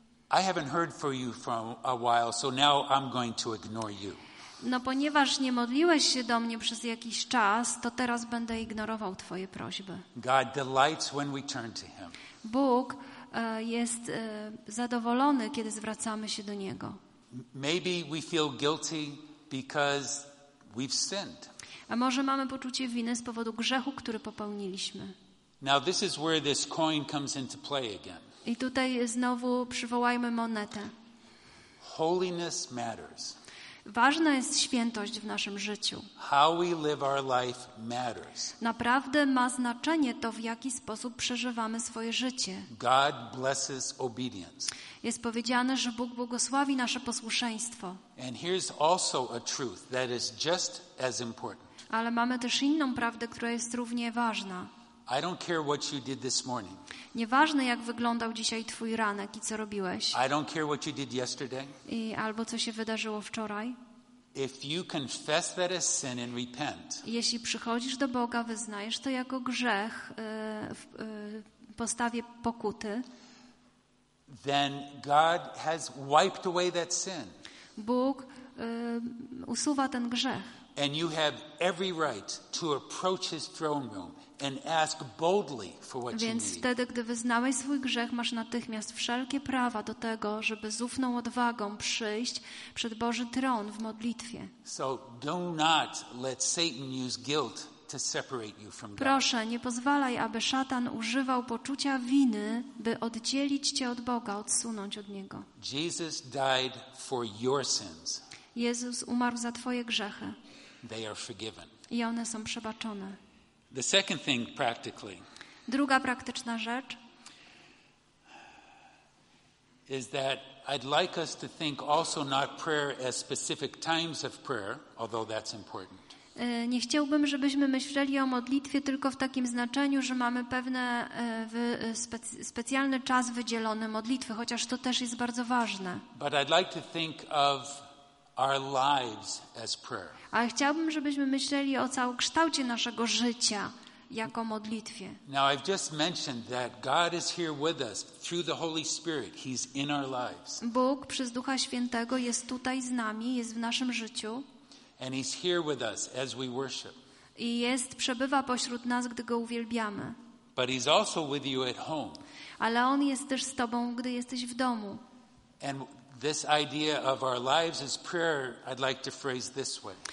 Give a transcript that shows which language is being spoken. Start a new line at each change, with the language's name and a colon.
English: I haven't heard for you for a while, so now I'm going to ignore you.
Polish: No ponieważ nie modliłeś się do mnie przez jakiś czas, to teraz będę ignorował twoje prośby.
English: God delights when we turn to him.
Polish: Bóg jest zadowolony, kiedy zwracamy się do niego.
English: Maybe we feel guilty because we've sinned.
Polish: A może mamy poczucie winy z powodu grzechu, który popełniliśmy.
English: Now this is where this coin comes into play again.
Polish: I tutaj znowu przywołajmy monetę.
English: Holiness matters.
Polish: Ważna jest świętość w naszym życiu.
English: How we live our life matters.
Polish: Naprawdę ma znaczenie to, w jaki sposób przeżywamy swoje życie.
English: God blesses obedience.
Polish: Jest powiedziane, że Bóg błogosławi nasze posłuszeństwo.
English: And here's also a truth that is just as important.
Polish: Ale mamy też inną prawdę, która jest równie ważna.
English: I don't care what you did this morning.
Polish: Nieważne jak wyglądał dzisiaj twój ranek i co robiłeś.
English: I don't care what you did yesterday.
Polish: I albo co się wydarzyło wczoraj.
English: If you confess that as sin and repent.
Polish: Jeśli przychodzisz do Boga, wyznajesz to jako grzech w postawie pokuty.
English: Then God has wiped away that sin.
Polish: Bóg usuwa ten grzech.
English: And you have every right to approach his throne room. And ask boldly for what
Polish: Więc
English: you need.
Polish: Wtedy, gdy wyznałeś swój grzech, masz natychmiast wszelkie prawa do tego, żeby z ufną odwagą przyjść przed Boży tron w modlitwie.
English: So do not let Satan use guilt to separate you from God.
Polish: Proszę, nie pozwalaj, aby szatan używał poczucia winy, by oddzielić cię od Boga, odsunąć od Niego.
English: Jesus died for your sins.
Polish: Jezus umarł za twoje grzechy.
English: They are forgiven.
Polish: I one są przebaczone.
English: The second thing practically.
Polish: Druga praktyczna rzecz.
English: Is that I'd like us to think also not prayer as specific times of prayer, although that's important.
Polish: Nie chciałbym, żebyśmy myśleli o modlitwie tylko w takim znaczeniu, że mamy pewne specjalny czas wydzielony modlitwy, chociaż to też jest bardzo ważne.
English: But I'd like to think of our lives as prayer.
Polish: Ale chciałbym, żebyśmy myśleli o całokształcie naszego życia jako modlitwie.
English: Now I've just mentioned that God is here with us through the Holy Spirit. He's in our lives.
Polish: Bóg przez Ducha Świętego jest tutaj z nami, jest w naszym życiu.
English: And he's here with us as we worship.
Polish: I jest, przebywa pośród nas, gdy go uwielbiamy.
English: But he's also with you at home.
Polish: Ale on jest też z tobą, gdy jesteś w domu.
English: And this idea of our lives as prayer, I'd like to phrase this way.